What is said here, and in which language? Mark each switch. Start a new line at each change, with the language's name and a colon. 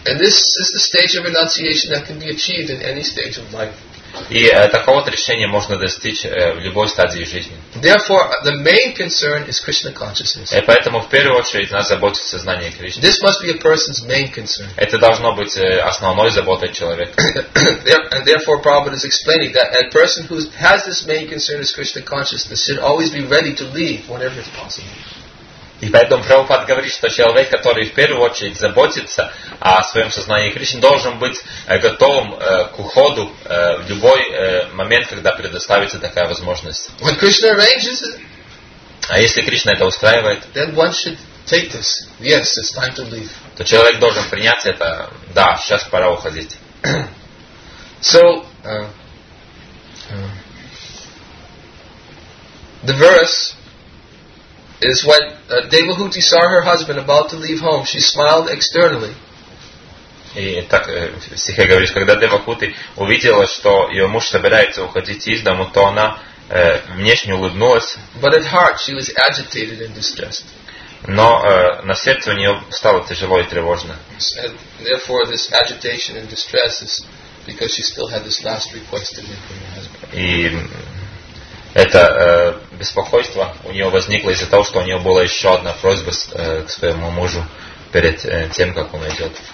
English: And this is the stage of renunciation that can be achieved in any stage of life.
Russian: И такого отрешения можно достичь в любой стадии жизни.
English: Therefore, the main concern is Krishna consciousness.
Russian: И поэтому в первую очередь нас заботит сознание Кришны.
English: This must be a person's main concern.
Russian: Это должно быть основной заботой человека.
English: And therefore, Prabhupada is explaining that a person who has this main concern is Krishna consciousness should always be ready to leave whenever it's possible.
Russian: И поэтому Прабхупад говорит, что человек, который в первую очередь заботится о своем сознании Кришны, должен быть готовым к уходу в любой момент, когда предоставится такая возможность.
English: When Krishna arranges it,
Russian: а если Кришна это устраивает,
English: then one should take this. Yes, it's time to leave.
Russian: То человек должен принять это. Да, сейчас пора уходить.
English: So, the verse is when Devahuti saw her husband about to leave home, she smiled externally.
Russian: И так стихе говорит, когда Девахути увидела, что ее муж собирается уходить из дому, то она внешне улыбнулась.
English: But at heart she was agitated and distressed.
Russian: Но на сердце у нее стало тяжело и тревожно.
English: And therefore this agitation and distress is because she still had this last request to leave from her husband.
Russian: И это беспокойство у нее возникло из-за того, что у нее была еще одна просьба к своему мужу перед тем, как он уйдет.